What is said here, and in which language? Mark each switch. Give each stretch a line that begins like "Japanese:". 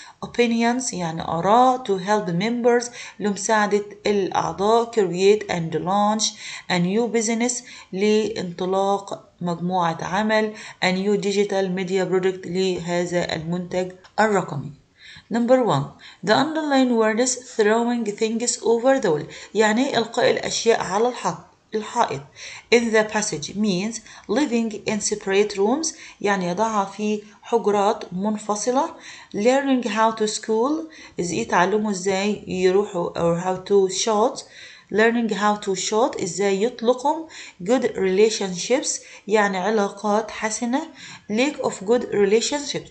English: opinions يعني آراء، to help members
Arabic: لمساعدة الأعضاء،
English: create and launch a new business
Arabic: لانطلاق مجموعة عمل،
English: a new digital media product
Arabic: لهذا المنتج الرقمي.
English: Number one, the underlying word is throwing things over the wall.
Arabic: يعني إلقاء الأشياء على الحائط.
English: In the passage means living in separate rooms.
Arabic: يعني يضعها في حجرات منفصلة.
English: Learning how to school is
Arabic: يتعلموا إزاي يروحوا
English: or how to shoot. learning how to shoot
Arabic: ازاي يطلقوا
English: good relationships
Arabic: يعني علاقات حسنة
English: lack of good relationships.